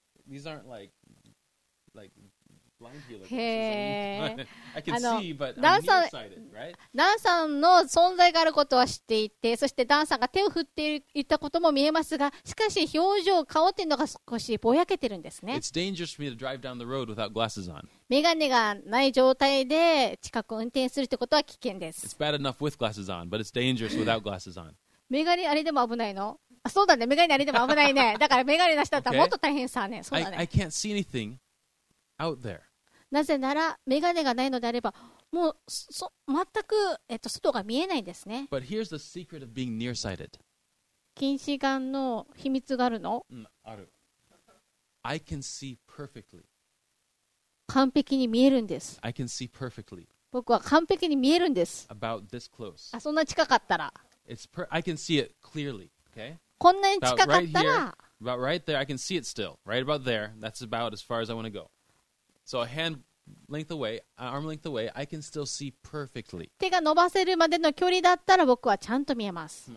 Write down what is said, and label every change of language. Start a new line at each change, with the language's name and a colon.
English: These aren't like blind healer glasses. I can see, but I'm nearsighted, right?
Japanese: ダンさんの存在があることは知っていて、そしてダンさんが手を振っていたことも見えますが、しかし表情、顔っていうのが少しぼやけてるんですね。
English: It's dangerous for me to drive down the road without glasses on.
Japanese: メガネがない状態で近くを運転するってことは危険です。
English: It's bad enough with glasses on, but it's dangerous without glasses on.
Japanese: メガネありでも危ないの？あ、そうだね。メガネありでも危ないね。だからメガネなしだったらもっと大変さね。そうだね。
English: I can't see anything out there.
Japanese: なぜなら、メガネがないのであれば、もう全く、外が見えないんですね。
English: But here's the secret of being nearsighted.
Japanese: 近視眼の秘密があるの？ある。
English: I can see perfectly.
Japanese: 完璧に見えるんです。
English: I can see perfectly.
Japanese: 僕は完璧に見えるんです。
English: About this close.
Japanese: あ、そんな近かったら。
English: I can see it clearly, okay?
Japanese: こんなに近かったら。
English: About right there, I can see it still. Right about there, that's about as far as I want to go. So a hand length away, arm length away, I can still see perfectly.
Japanese: 手が伸ばせるまでの距離だったら僕はちゃんと見えます。